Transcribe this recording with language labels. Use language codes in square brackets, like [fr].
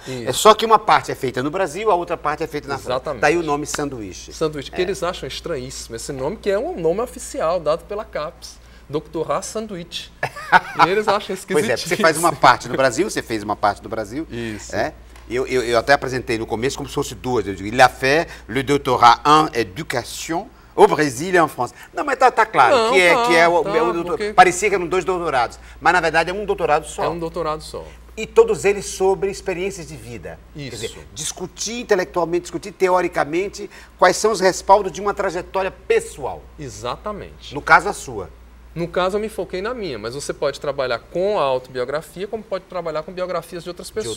[pt] Isso. É só que uma parte é feita no Brasil, a outra parte é feita na França. Exatamente. Daí o nome sanduíche. Sanduíche, que eles acham estranhíssimo esse nome, que é um nome oficial dado pela CAPES. Doutorado sanduíche. E eles acham esquisitíssimo. Pois é, você faz uma parte no Brasil, você fez uma parte do Brasil. Isso. É? Eu até apresentei no começo como se fosse duas. Eu digo, [fr] il a fait le doutorat en éducation au Brésil et en France. [pt] Não, mas tá claro. Não, parecia que eram dois doutorados. Mas, na verdade, é um doutorado só. É um doutorado só. E todos eles sobre experiências de vida. Isso. Quer dizer, discutir intelectualmente, discutir teoricamente quais são os respaldos de uma trajetória pessoal. Exatamente. No caso, a sua. No caso, eu me foquei na minha. Mas você pode trabalhar com a autobiografia como pode trabalhar com biografias de outras pessoas.